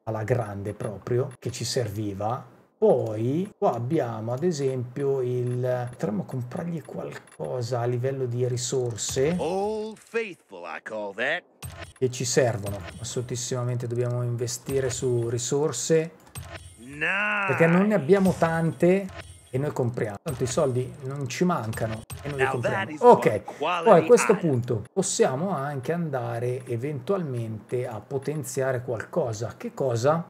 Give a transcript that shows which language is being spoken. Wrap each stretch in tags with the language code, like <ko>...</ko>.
<it>Alla grande proprio, che ci serviva. Poi qua abbiamo ad esempio il... potremmo comprargli qualcosa a livello di risorse.</it> <en>Old Faithful, I call that.</en> <it>Che ci servono. Assolutissimamente dobbiamo investire su risorse.</it> <en>Nice.</en> <it>Perché non ne abbiamo tante e noi compriamo. Tanto i soldi non ci mancano e noi li compriamo. Ok, poi a questo punto possiamo anche andare eventualmente a potenziare qualcosa. Che cosa?</it>